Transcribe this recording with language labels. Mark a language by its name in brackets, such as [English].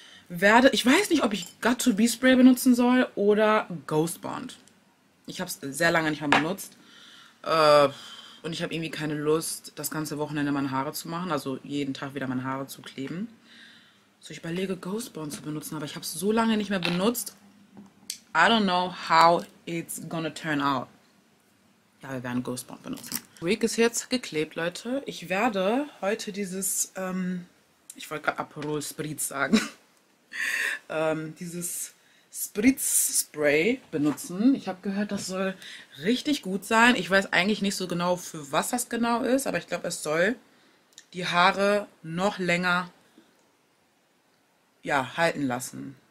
[German] Ich weiß nicht, ob ich Got2B-Spray benutzen soll oder Ghostbond. Ich habe es sehr lange nicht mehr benutzt. Und ich habe irgendwie keine Lust, das ganze Wochenende meine Haare zu machen, also jeden Tag wieder meine Haare zu kleben. So, ich überlege, Ghostbond zu benutzen, aber ich habe es so lange nicht mehr benutzt. [English] I don't know how it's gonna turn out. [German] Ja, wir werden Ghostbond benutzen. Wig ist jetzt geklebt, Leute. Ich werde heute dieses, ich wollte gerade Aperol Spritz sagen, dieses Spritz-Spray benutzen. Ich habe gehört, das soll richtig gut sein. Ich weiß eigentlich nicht so genau, für was das genau ist, aber ich glaube, es soll die Haare noch länger ja, halten lassen.